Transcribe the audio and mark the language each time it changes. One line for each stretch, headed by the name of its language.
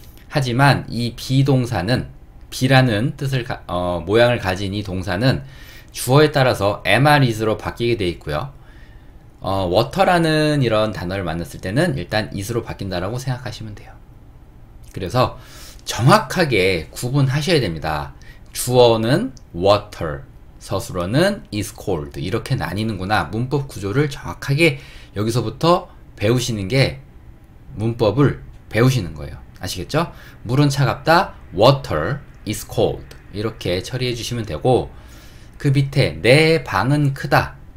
Korean: 하지만 이 비동사는, 비라는 뜻을 모양을 가진 이 동사는 주어에 따라서 am, is로 바뀌게 돼 있고요. water라는 이런 단어를 만났을 때는 일단 is로 바뀐다라고 생각하시면 돼요. 그래서 정확하게 구분하셔야 됩니다. 주어는 water, 서술어는 is cold. 이렇게 나뉘는구나. 문법 구조를 정확하게 여기서부터 배우시는 게 문법을 배우시는 거예요. 아시겠죠? 물은 차갑다.
English: water is cold.
Korean: 이렇게 처리해 주시면 되고, 그 밑에 내 방은 크다.